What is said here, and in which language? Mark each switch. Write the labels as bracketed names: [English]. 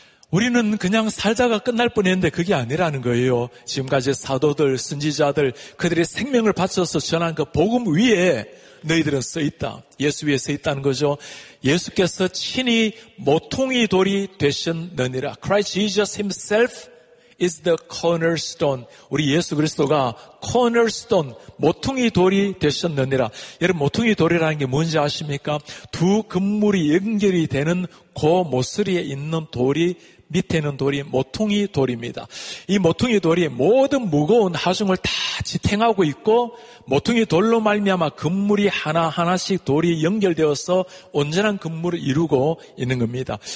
[Korean] 우리는 그냥 살다가 끝날 뿐인데 그게 아니라는 거예요. 지금까지 사도들, 선지자들, 그들의 생명을 바쳐서 전한 그 복음 위에 너희들은 서있다. 예수 위에 서있다는 거죠. 예수께서 친히 모퉁이 돌이 되셨느니라. [English] Christ Jesus himself is the cornerstone. [Korean] 우리 예수 그리스도가 cornerstone, 모퉁이 돌이 되셨느니라. 여러분, 모퉁이 돌이라는 게 뭔지 아십니까? 두 건물이 연결이 되는 그 모서리에 있는 돌이 밑에는 돌이 모퉁이 돌입니다. 이 모퉁이 돌이 모든 무거운 하중을 다 지탱하고 있고 모퉁이 돌로 말미암아 건물이 하나하나씩 돌이 연결되어서 온전한 건물을 이루고 있는 겁니다.